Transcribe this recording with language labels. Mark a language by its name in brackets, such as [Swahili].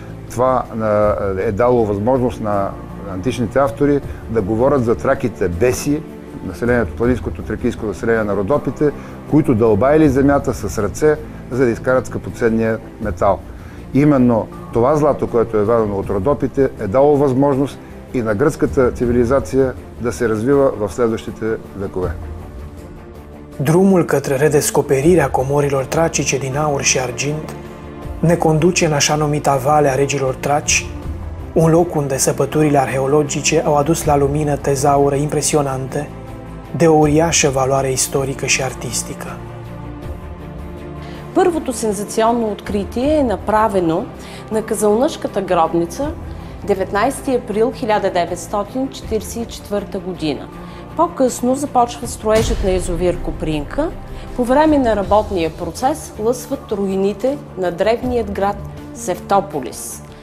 [Bulgarian] Това е дало възможност на античните автори да говорят за траките беси, населението, планинското тракийско население на Родопите, които дълбаили земята с ръце, за да изкарат скъпоценния метал. Именно това злато, което е вадено от Родопите, е дало възможност и на гръцката цивилизация да се развива в следващите векове. [Romanian] Drumul către redescoperirea comorilor tracice din aur și argint ne conduce în așa numita Vale a Regilor Traci, un loc unde săpăturile arheologice au adus la lumină tezaure impresionante de o uriașă valoare istorică și artistică. [Bulgarian] Първото сензационно откритие е направено на Казълнашката гробница 19 април 1944 година. По-късно започва строежът на язовир Копринка. По време на работния процес лъсват руините на древният град Севтополис.